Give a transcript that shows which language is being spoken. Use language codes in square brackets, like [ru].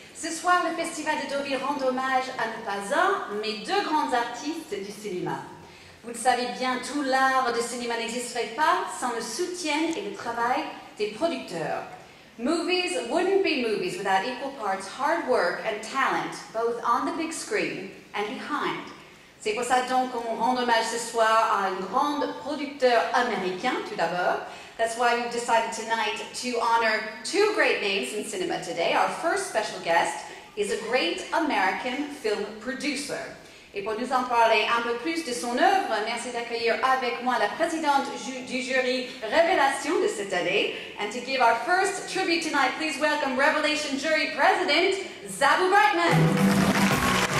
[fr] soir, le festival de Deauville rend hommage à non pas un, mais deux grands artistes du cinéma. Vous le savez bien, tout l'art de cinéma n'existerait pas sans le soutien et le travail des producteurs. [en] Movies wouldn't be movies without equal parts hard work and talent, both on the big screen and behind. [fr] C'est pour ça donc qu'on rend hommage ce soir à un grand producteur américain, tout d'abord. [en] That's why we've decided tonight to honor two great names in cinema today. Our first special guest is a great American film producer. [fr] Et pour nous en parler un peu plus de son œuvre, merci d'accueillir avec moi la présidente du jury Révélation de cette année. [en] And to give our first tribute tonight, please welcome Revelation jury president, Zabu Brightman.